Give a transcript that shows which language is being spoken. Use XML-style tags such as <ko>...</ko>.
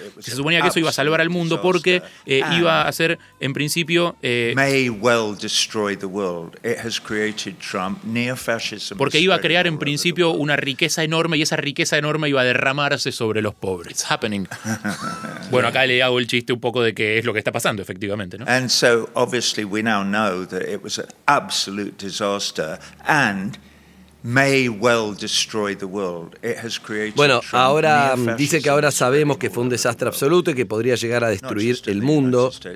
<es>Se suponía que eso iba a salvar al mundo porque iba a ser, en principio, porque iba a crear, en principio, una riqueza enorme, y esa riqueza enorme iba a derramarse sobre los pobres.</es> <en>It's happening.</en> <es>Bueno, acá le hago el chiste un poco de que es lo que está pasando, efectivamente, ¿no?</es> <en>And so obviously we now know that it was an absolute disaster and may well destroy the world. It has created.</en> <es>Bueno, ahora dice que ahora sabemos que fue un desastre absoluto y que podría llegar a destruir el mundo.</es>